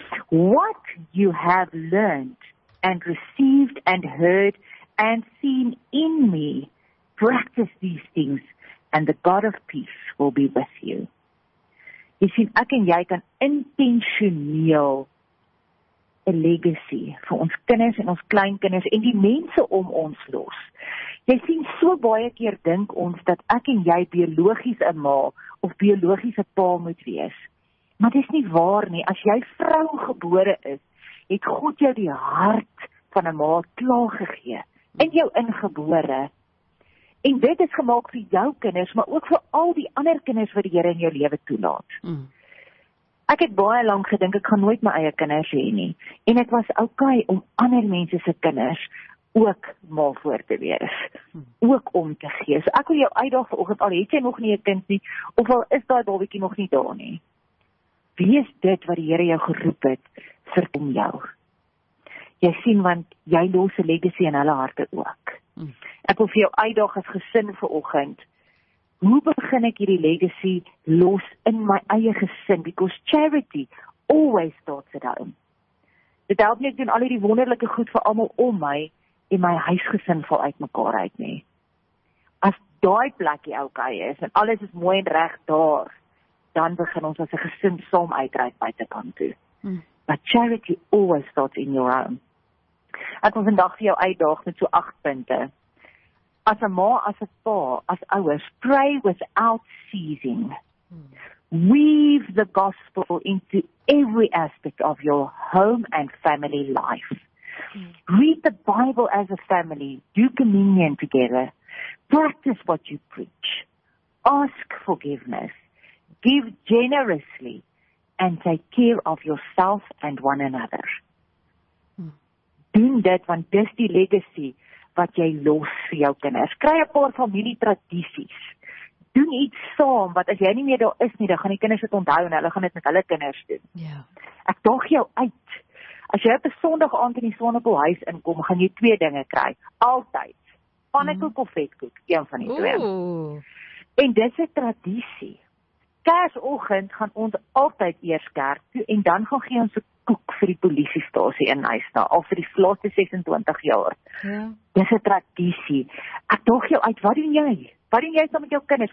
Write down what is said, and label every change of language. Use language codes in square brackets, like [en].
[en] What you have learned and received and heard and seen in me, practice these things and the God of peace will be with you. [af] Jy sien, ek en jy kan intentioneel 'n legacy vir ons kinders en ons kleinkinders en die mense om ons los. Jy sien, so baie keer dink ons dat ek en jy biologies 'n ma of biologiese pa moet wees. Maar dis nie waar nie. As jy vrou gebore is, het God jou die hart van 'n ma klaar gegee in jou ingebore. En dit is gemaak vir jou kinders, maar ook vir al die ander kinders wat die Here in jou lewe toelaat. Ek het baie lank gedink ek gaan nooit my eie kinders hê nie. En ek was okay om ander mense se kinders ook mal voor te wees. Ook om te gee. So ek wil jou uitdaag vanoggend, al het jy nog nie 'n kind nie, of al is daai babietjie nog nie daar nie. Wees dit wat die Here jou geroep het vir om jou. Jy sien, want jy los 'n legacy in hulle harte ook. Ek wil vir jou uitdaag as gesin vanoggend. Hoe begin ek hierdie legacy los in my eie gesin? [en] Because charity always starts at home. [af] Dit help nie doen al die wonderlike goed vir almal om my en my huisgesin val uit mekaar uit nie. As daai plekkie okay is en alles is mooi en reg daar, dan begin ons as 'n gesin saam uitreik buitekant toe. [en] But charity always starts in your home. [af] Ek wil vandag vir jou uitdaag met so 8 punte. As 'n ma, as 'n pa, as ouers, [en] pray without ceasing. Weave the gospel into every aspect of your home and family life. Read the Bible as a family. Do communion together. Practice what you preach. Ask forgiveness. Give generously. And take care of yourself and one another. [af] Doen dit, want dis die legacy wat jy los vir jou kinders. Kry 'n paar familietradisies. Doen iets saam, wat as jy nie meer daar is nie, dan gaan die kinders dit onthou en hulle gaan dit met hulle kinders doen. Yeah. Ek daag jou uit. As jy op 'n Sondag aand in die Swanepoel huis inkom, gaan jy twee dinge kry. Altyd. Pannekoek of vetkoek, een van die twee. En dis 'n tradisie. Kersoggend gaan ons altyd eers kerk toe en dan gaan gee ons 'n koek vir die polisiestasie in huis na, al vir die laaste 26 jaar. Ja. Dis 'n tradisie. Ek daag jou uit, wat doen jy? Wat doen jy saam met jou kinders?